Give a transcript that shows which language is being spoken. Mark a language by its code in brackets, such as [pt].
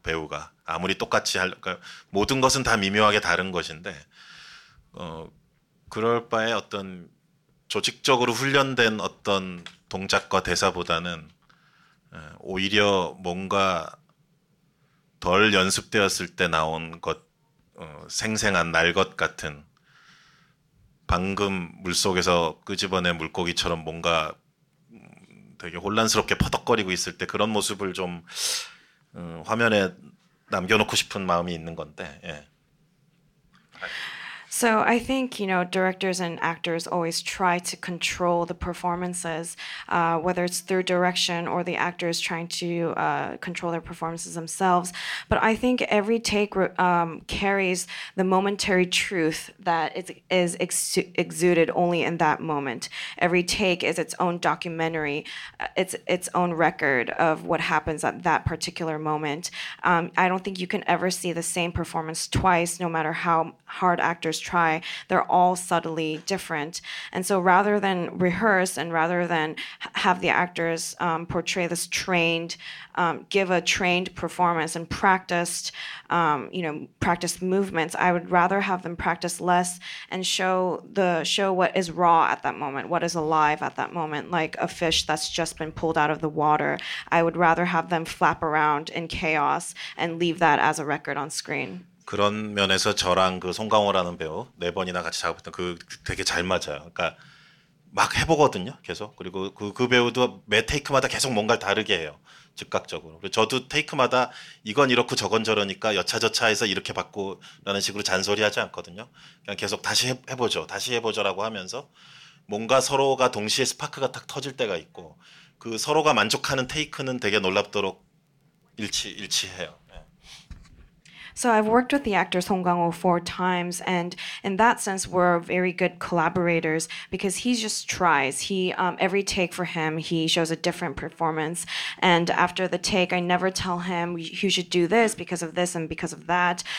[ko] 배우가 아무리 똑같이 할 모든 것은 다 미묘하게 다른 것인데 그럴 바에 어떤 조직적으로 훈련된 어떤 동작과 대사보다는 오히려 뭔가 덜 연습되었을 때 나온 것 생생한 날것 같은 방금 물속에서 끄집어낸 물고기처럼 뭔가 되게 혼란스럽게 퍼덕거리고 있을 때 그런 모습을 좀 화면에 남겨놓고 싶은 마음이 있는 건데 예. [en] So I think, you know, directors and actors always try to control the performances, whether it's through direction or the actors trying to control their performances themselves. But I think every take carries the momentary truth that is exuded only in that moment. Every take is its own documentary. It's its own record of what happens at that particular moment. I don't think you can ever see the same performance twice, no matter how hard actors try, they're all subtly different. And so rather than rehearse and rather than have the actors portray this trained, give a trained performance and practiced, you know, practiced movements, I would rather have them practice less and show what is raw at that moment, what is alive at that moment, like a fish that's just been pulled out of the water. I would rather have them flap around in chaos and leave that as a record on screen. [ko] 그런 면에서 저랑 그 송강호라는 배우 네 번이나 같이 작업했던 그 되게 잘 맞아요. 그러니까 막 해보거든요. 계속. 그리고 그 배우도 매 테이크마다 계속 뭔가를 다르게 해요. 즉각적으로. 그리고 저도 테이크마다 이건 이렇고 저건 저러니까 여차저차 해서 이렇게 바꾸라는 식으로 잔소리하지 않거든요. 그냥 계속 다시 해보죠. 다시 해보죠라고 하면서 뭔가 서로가 동시에 스파크가 딱 터질 때가 있고 그 서로가 만족하는 테이크는 되게 놀랍도록 일치해요. [en] So I've worked with the actor Song Kang-ho 4 times, and in that sense, we're very good collaborators because he just tries. He every take for him, he shows a different performance. And after the take, I never tell him he should do this because of this and because of that.